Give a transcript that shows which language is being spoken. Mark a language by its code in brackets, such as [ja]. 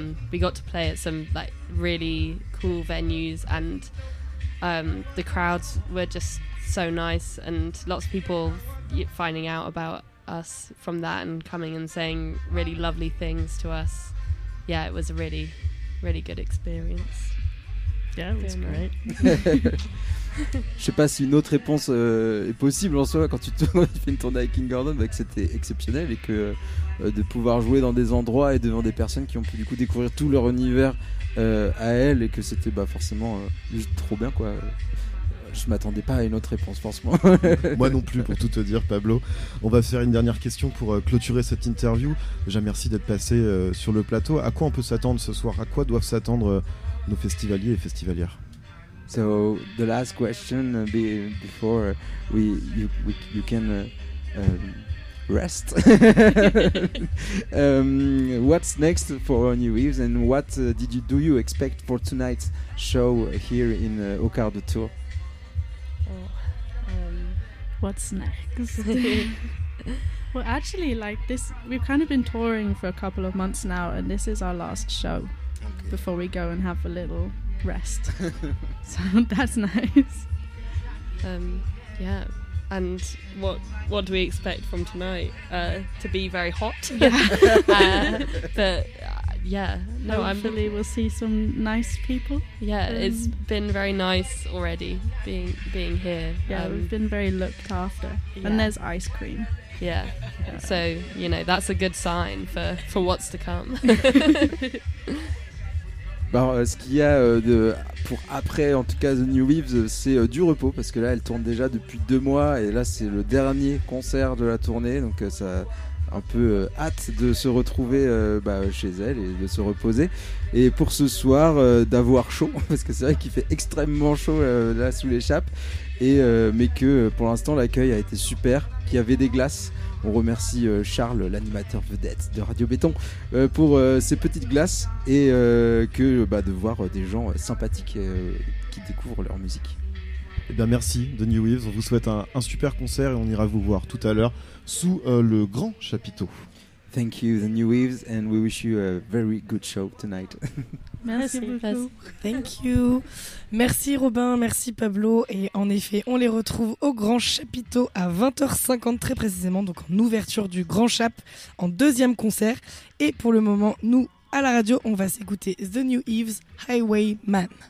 [en] We got to play at some like really cool venues, and the crowds were just so nice, and lots of people finding out about us from that and coming and saying really lovely things to us. Yeah, it was a really, really good experience. Yeah, [fr] je sais pas si une autre réponse est possible en soi quand tu fais une tournée avec King Gordon, bah que c'était exceptionnel et que de pouvoir jouer dans des endroits et devant des personnes qui ont pu du coup découvrir tout leur univers à elle, et que c'était bah forcément juste trop bien, quoi. Je m'attendais pas à une autre réponse, franchement. Moi non plus, pour tout te dire, Pablo. On va faire une dernière question pour clôturer cette interview. Déjà, merci d'être passé sur le plateau. À quoi on peut s'attendre ce soir? À quoi doivent s'attendre nos festivaliers et festivalières? [en] So the last question before you can rest. What's next for New Eves, and what do you expect for tonight's show here in Au Quart de Tour? What's next? Well, actually, like this, we've kind of been touring for a couple of months now, and this is our last show. Okay. Before we go and have a little rest. So that's nice. Yeah, and what do we expect from tonight? To be very hot. Yeah. Hopefully we'll see some nice people. Yeah, it's been very nice already being here. Yeah, we've been very looked after. Yeah. And there's ice cream. Yeah. So, you know, that's a good sign for what's to come. [fr] Bah, ce qu'il y a de, pour après, en tout cas, The New Weaves, c'est du repos, parce que là, elle tourne déjà depuis 2 mois, et là, c'est le dernier concert de la tournée, donc ça a un peu hâte de se retrouver chez elle et de se reposer. Et pour ce soir, d'avoir chaud, parce que c'est vrai qu'il fait extrêmement chaud là, sous l'échappe, et, mais que pour l'instant, l'accueil a été super, qu'il y avait des glaces. On remercie Charles, l'animateur vedette de Radio Béton, pour ces petites glaces et de voir des gens sympathiques qui découvrent leur musique. Eh bien, merci, The New Weaves. On vous souhaite un super concert et on ira vous voir tout à l'heure sous le grand chapiteau. [en] Thank you, The New Weaves, and we wish you a very good show tonight. [fr] Merci beaucoup. [en] Thank you. [fr] Merci Robin, merci Pablo. Et en effet, on les retrouve au Grand Chapiteau à 20h50 très précisément, donc en ouverture du Grand Chap, en deuxième concert. Et pour le moment, nous, à la radio, on va s'écouter The New Eves, Highwayman.